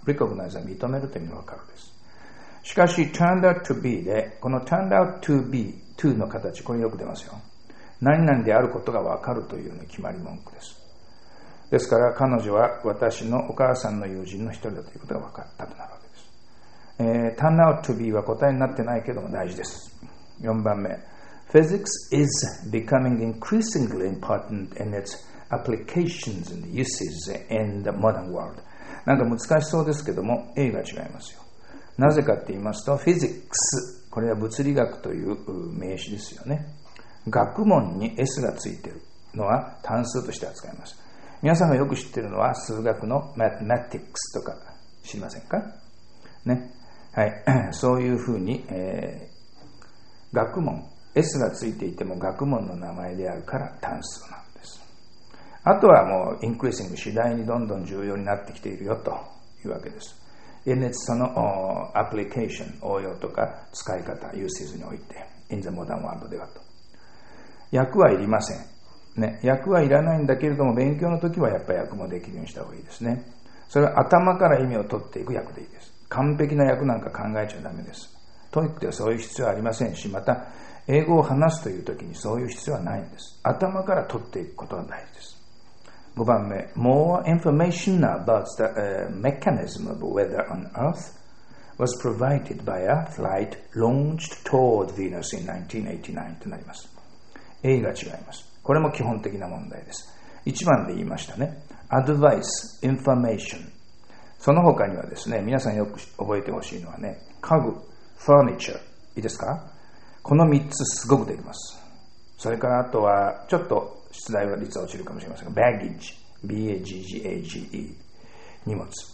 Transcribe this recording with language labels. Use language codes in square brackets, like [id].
[ja] recognize は認めるという意味が分かるです。しかし [en] turned out to be [ja] で、この turned out to beto の形、これよく出ますよ。何々であることが分かるという決まり文句です。ですから彼女は私のお母さんの友人の一人だということが分かったとなるわけです。 [en] Turn out to be [ja] は答えになってないけども大事です。 [en] 4番目、Physics is becoming increasingly important in its applications and uses in the modern world。 [ja] なんか難しそうですけども A が違いますよ。なぜかって言いますと Physics、 これは物理学という名詞ですよね。学問に S がついているのは単数として扱います。皆さんがよく知っているのは数学の Mathematics とか知りませんか、ね、はい、そういうふうに、学問 S がついていても学問の名前であるから単数なんです。あとはもう Increasing、 次第にどんどん重要になってきているよというわけです。その Application 応用とか使い方 Uses において [en] In the modern world [ja] ではと。訳はいりません、ね、訳はいらないんだけれども勉強の時はやっぱり訳もできるようにした方がいいですね。それは頭から意味を取っていく訳でいいです。完璧な訳なんか考えちゃダメです。トイックではそういう必要はありませんし、また英語を話すという時にそういう必要はないんです。頭から取っていくことが大事です。 [en] 5番目、 More information about the mechanism of weather on Earth was provided by a flight launched toward Venus in 1989となります。 [ja] A が違います。これも基本的な問題です。 1番で言いましたね。Advice, information。その他にはですね、皆さんよく覚えてほしいのはね、家具、ファーニチャー、いいですか？この3つすごくできます。それからあとは、ちょっと出題は率は落ちるかもしれませんが、baggage, B-A-G-G-A-G-E、荷物。